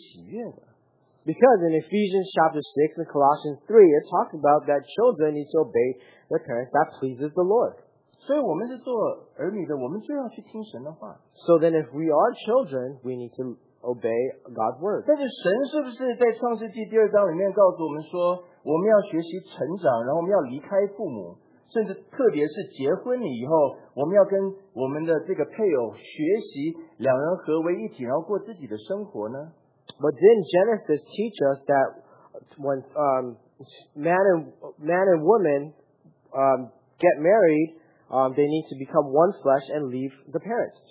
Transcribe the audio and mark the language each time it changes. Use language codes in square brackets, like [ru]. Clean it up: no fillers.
[zh] 因为以弗所书第六章和哥罗西书第三章里面讲到说,做儿女的就要在主里顺服父母,然后说这是讨主喜悦的。 [en] Because in Ephesians chapter 6 and Colossians 3, it talks about that children need to obey their parents, that pleases the Lord. [zh] 所以我们是做儿女的,我们就要去听神的话。 [en] So then if we are children, we need to obey God's word. [zh] 但是神是不是在创世纪第二章里面告诉我们说,我们要学习成长,然后我们要离开父母,甚至特别是结婚以后,我们要跟我们的这个配偶学习两人合为一体,然后过自己的生活呢? [en] But didn't Genesis teach us that when man and woman get married, they need to become one flesh and leave the parents?